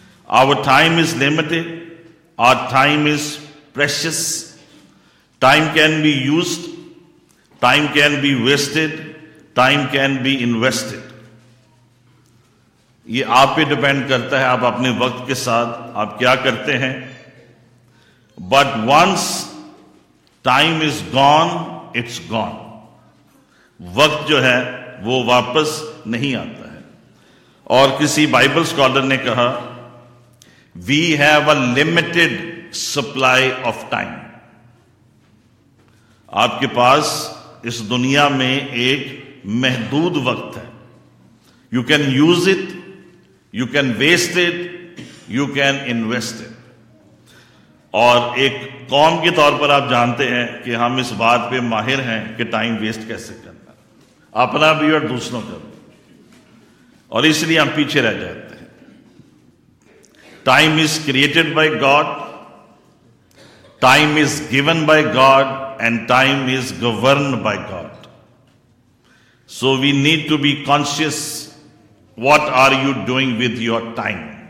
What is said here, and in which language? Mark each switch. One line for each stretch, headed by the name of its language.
English: Our time is limited. Our time is precious. Time can be used, time can be wasted, time can be invested.
Hindi: ये आप पे depend करता है, आप अपने वक्त के साथ आप क्या करते हैं.
English: But once time is gone, it's gone.
Hindi: वक्त जो है वो वापस नहीं आता है. और किसी बाइबल स्कॉलर ने कहा,
English: we have a limited supply of time.
Hindi: आपके पास इस दुनिया में एक महदूद वक्त है.
English: You can use it, you can waste it, you can invest it.
Hindi: और एक कौम के तौर पर आप जानते हैं कि हम इस बात पे माहिर हैं कि टाइम वेस्ट कैसे करना, अपना भी और दूसरों का भी, और इसलिए हम पीछे रह जाते हैं.
English: Time is created by God, time is given by God, and time is governed by God. So we need to be conscious, what are you doing with your time?